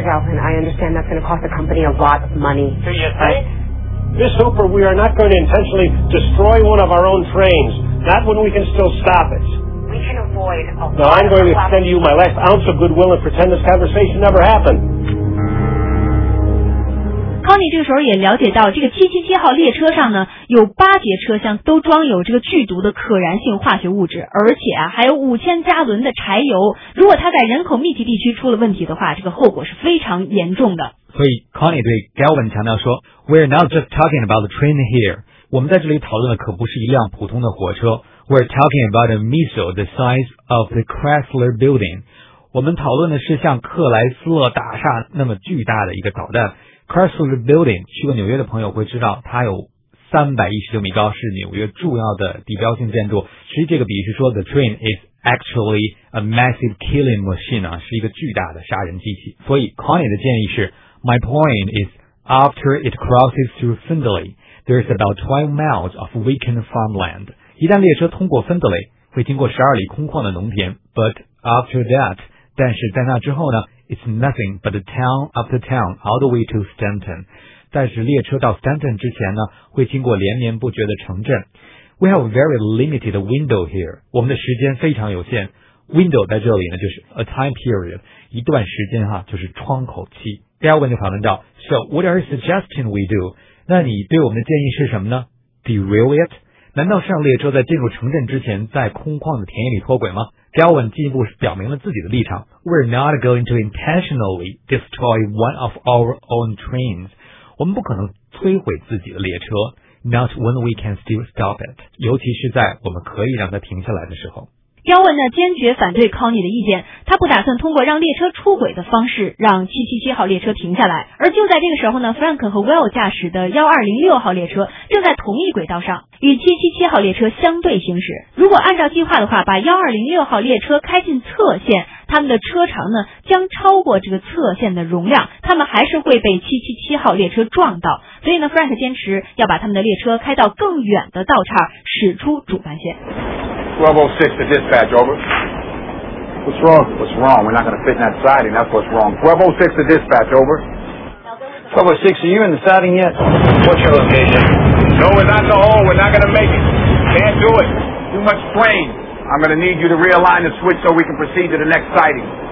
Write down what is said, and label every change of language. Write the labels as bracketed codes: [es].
[en] Galvin, I understand that's going to cost the company a lot of money. Do you think? Miss Hooper, we are not going to intentionally destroy one of our own trains. Not when we can still stop it. We can avoid a lot of... Now, I'm going to extend to you my last ounce of goodwill and pretend this conversation never happened. [zh] 康妮这个时候也了解到，这个777号列车上呢，有八节车厢都装有这个剧毒的可燃性化学物质，而且啊，还有5000加仑的柴油。如果它在人口密集地区出了问题的话，这个后果是非常严重的。所以 Connie 对 Galvin 强调说 ， [en] We're not just talking about the train here. [zh] 我们在这里讨论的可不是一辆普通的火车。 [en] We're talking about a missile the size of the Chrysler Building. [zh] 我们讨论的是像克莱斯勒大厦那么巨大的一个导弹。 Chrysler Building, 去过纽约的朋友会知道它有319米高，是纽约主要的地标性建筑。其实这个比喻是说 [en] the train is actually a massive killing machine, [zh] 是一个巨大的杀人机器。所以 Connie 的建议是 [en] My point is, after it crosses through Findlay, there is about 12 miles of vacant farmland. [zh] 一旦列车通过 Findlay, 会经过12里空旷的农田。 [en] But after that, [zh] 但是在那之后呢， [en] It's nothing but the town after town all the way to Stanton. [zh] 但是列车到 Stanton 之前呢，会经过连绵不绝的城镇。 [en] We have a very limited window here. [zh] 我们的时间非常有限。 Window 在这里呢，就是 [en] a time period, [zh] 一段时间哈，就是窗口期。 [en] Galvin [zh] 就反问道 [en] ,So what are you suggesting we do? [zh] 那你对我们的建议是什么呢 ? [en] Derail it? [zh] 难道是让列车在进入城镇之前在空旷的田野里脱轨吗？ Galvin 进一步表明了自己的立场 [en] We're not going to intentionally destroy one of our own trains [zh] 我们不可能摧毁自己的列车 [en] Not when we can still stop it [zh] 尤其是在我们可以让它停下来的时候 Galvin 呢坚决反对 Connie 的意见他不打算通过让列车出轨的方式让777号列车停下来而就在这个时候呢 Frank 和 Will 驾驶的1206号列车正在同一轨道上与777号列车相对行驶如果按照计划的话把1206号列车开进侧线他们的车长呢将超过这个侧线的容量他们还是会被777号列车撞到所以呢 Frank 坚持要把他们的列车开到更远的道岔驶出主干线 [en] 1206 the dispatch over what's wrong we're not going to fit in that siding that's what's wrong 1206 the dispatch over 1206 are you in the siding yet what's your location No, we're not in the hole. We're not going to make it. Can't do it. Too much strain. I'm going to need you to realign the switch so we can proceed to the next sighting.